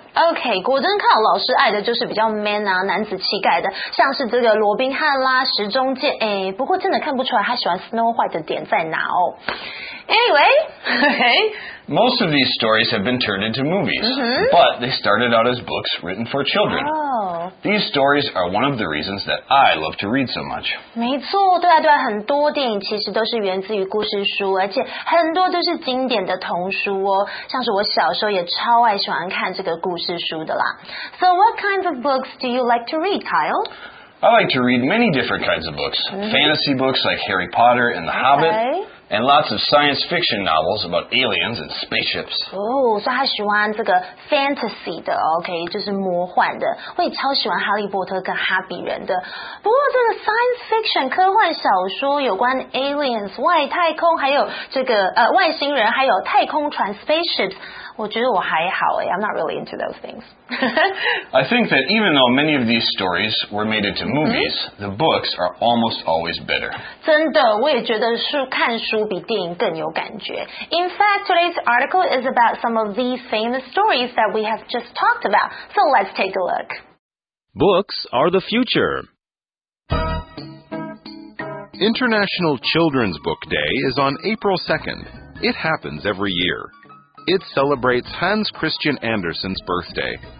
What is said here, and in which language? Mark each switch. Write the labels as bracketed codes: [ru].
[zh] Okay, 果真靠老师爱的就是比较 man 啊，男子气概的，像是这个罗宾汉啦，时钟剑，哎，不过真的看不出来他喜欢 Snow White 的点在哪哦。 [en] Anyway, okay. Most of these stories have been turned into movies,、 mm-hmm. but they started out as books written for children. Oh. These stories are one of the reasons that I love to read so much. [zh] 没错，对啊对啊，很多电影其实都是源自于故事书，而且很多都是经典的童书哦。像是我小时候也超爱喜欢看这个故事书的啦。 [en] So what kinds of books do you like to read, Kyle? I like to read many different kinds of books,、mm-hmm. fantasy books like Harry Potter and The Hobbit,、 okay. and lots of science fiction novels about aliens and spaceships. [zh] Oh, so 他喜欢这个 fantasy 的 ,OK, 就是魔幻的。我也超喜欢哈利波特跟哈比人的。不过这个 science fiction, 科幻小说有关 aliens, 外太空还有这个、外星人还有太空船 spaceships,我觉得我还好哎 [en] I'm not really into those things. I think that even though many of these stories were made into movies,、mm-hmm. the books are almost always better. 真的，我也觉得书看书比电影更有感觉。 In fact, today's article is about some of these famous stories that we have just talked about. So let's take a look. Books are the future. International Children's Book Day is on April 2nd. It happens every year. It celebrates Hans Christian Andersen's birthday.